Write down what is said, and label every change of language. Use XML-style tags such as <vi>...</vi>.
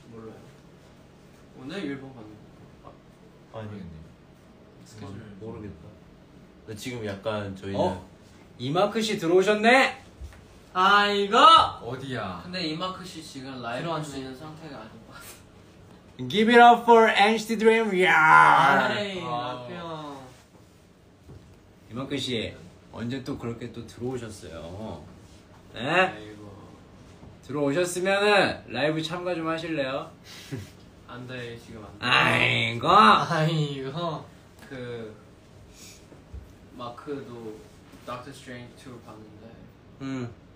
<ko>몰라요. 오늘 일본 가는 거 아니겠네. 스케줄 모르겠다. 나 지금 약간 저희는 어? 이마크 씨 들어오셨네? 아이고! 어디야? 근데 이마크 씨 지금 라이브 할 수 있는 상태가 아닌 것 같아.</ko> <en>Give it up for NCT Dream, yeah.</en> <ko>아이, 나평. 이만큼 씨 언제 또 그렇게 또 들어오셨어요? 네? 아이고. 들어오셨으면은 라이브 참가 좀 하실래요? 안 돼 지금 안 돼. 아이고. 아이고. 그 마크도 Doctor Strange 2 봤는데.</ko>